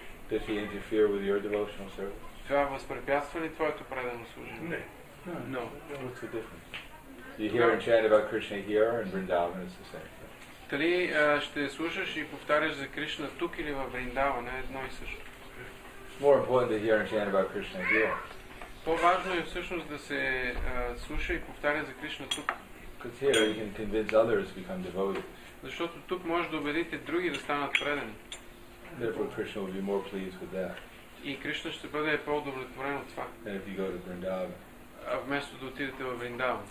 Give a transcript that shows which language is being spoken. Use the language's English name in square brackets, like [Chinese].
[English] Did she interfere with your devotional service? [Bulgarian] Това възпрепятства ли твоето предано служение? Не. [English] No. What's the difference? You hear and chant about Krishna here and Vrindavan is the same. [Bulgarian] Дали ще слушаш и повтаряш за Кришна тук или във Вриндавана, едно и също. [English] It's more important to hear and chant about Krishna here. [Bulgarian] По-важно е всъщност да се слуша и повтаря за Кришна тук. [English] Because here you can convince others to become devoted. [Bulgarian] Защото тук може да убедите други да станат предани. [English] Therefore Krishna will be more pleased with that. [Bulgarian] И Кришна ще бъде по-удовлетворен от това. [English] Than if you go to Vrindavan. [Bulgarian] Вместо да отидете във Вриндавана.